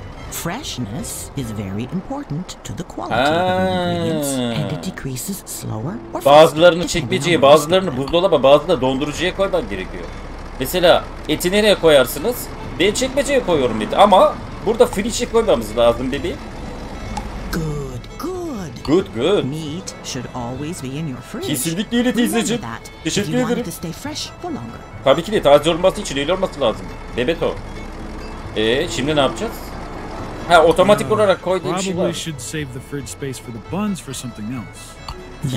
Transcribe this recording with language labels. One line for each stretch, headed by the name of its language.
English: Freshness is very important to the quality of ingredients, and it decreases slower.
Turkish: Bazılarını çekmeceye, bazılarını buzdolaba, bazılarını dondurucuya koymak gerekiyor. Mesela eti nereye koyarsınız? Ben çekmeceye koyuyorum dedi. Ama burada fridge koymamız lazım dedi.
English: Good, good. Good, good. Meat should always be in your fridge.
Turkish: Kesinlikle öyle teyzeciğim. Teşekkür ederim.
English: To stay fresh for longer.
Turkish: Tabii ki de taze olması için öyle olması lazım. Bebeto. Şimdi ne yapacağız? Ha otomatik olarak koy diye bir şey var.
English: We should save the fridge space for the buns for something else.